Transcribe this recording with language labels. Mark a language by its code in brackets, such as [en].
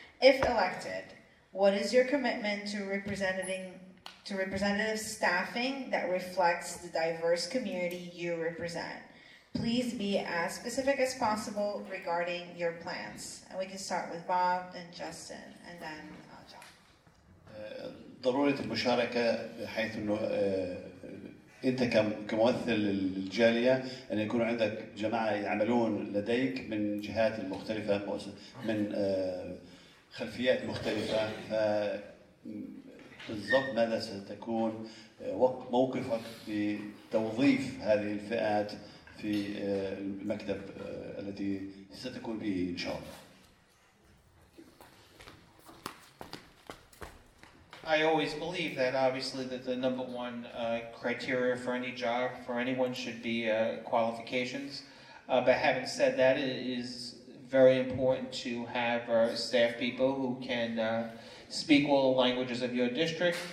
[en] If elected, what is your commitment to representative staffing that reflects the diverse community you represent? Please be as specific as possible regarding your plans. And we can start with Bob and Justin and then John. [ar] ضروره المشاركه بحيث انه انت كممثل للجاليه ان يكون عندك جماعه يعملون لديك من جهات مختلفه من خلفيات مختلفه، فبالضبط ماذا ستكون موقفك بتوظيف هذه الفئات في المكتب التي ستكون به ان شاء الله. [en] I always believe that obviously that the number one criteria for any job for anyone should be qualifications. But having said that, it is very important to have staff people who can speak all the languages of your district.